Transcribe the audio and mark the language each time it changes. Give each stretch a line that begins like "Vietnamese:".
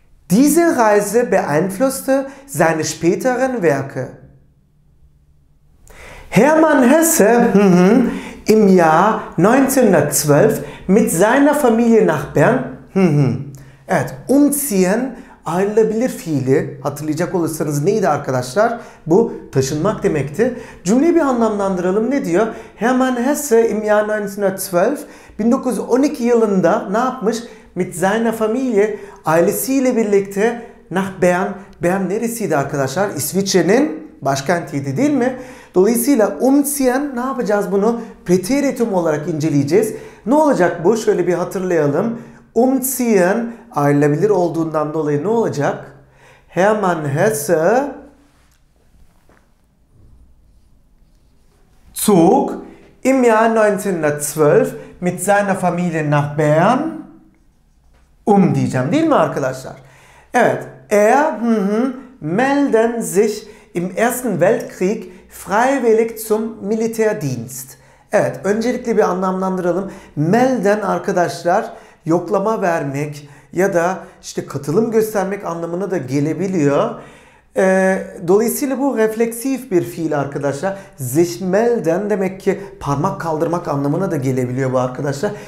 German: Diese Reise beeinflusste seine späteren Werke. Hermann Hesse im Jahr 1912 mit seiner Familie nach Bern umziehen.
Turkish: Ayrılabilir fiili hatırlayacak olursanız neydi arkadaşlar? Bu taşınmak demekti. Cümleyi bir anlamlandıralım. Ne diyor?
German: Hermann Hesse im Jahr 1912
Turkish: 1912 yılında ne yapmış?
German: Mit seiner Familie
Turkish: ailesiyle birlikte
German: nach Bern.
Turkish: Bern neresiydi arkadaşlar? İsviçre'nin başkentiydi değil mi? Dolayısıyla umziehen ne yapacağız bunu? Präteritum olarak inceleyeceğiz. Ne olacak bu? Şöyle bir hatırlayalım. Umziehen ayrılabilir olduğundan dolayı ne olacak?
German: Hermann Hesse zog im Jahr 1912 mit seiner Familie nach Bern
Turkish: diyeceğim değil mi arkadaşlar?
German: Evet, er melden sich im Ersten Weltkrieg freiwillig zum Militärdienst.
Turkish: Evet, öncelikle bir anlamlandıralım. Melden arkadaşlar yoklama vermek ya da işte katılım göstermek anlamına da gelebiliyor. Dolayısıyla bu refleksif bir fiil arkadaşlar. Sich melden demek ki parmak kaldırmak anlamına da gelebiliyor bu arkadaşlar.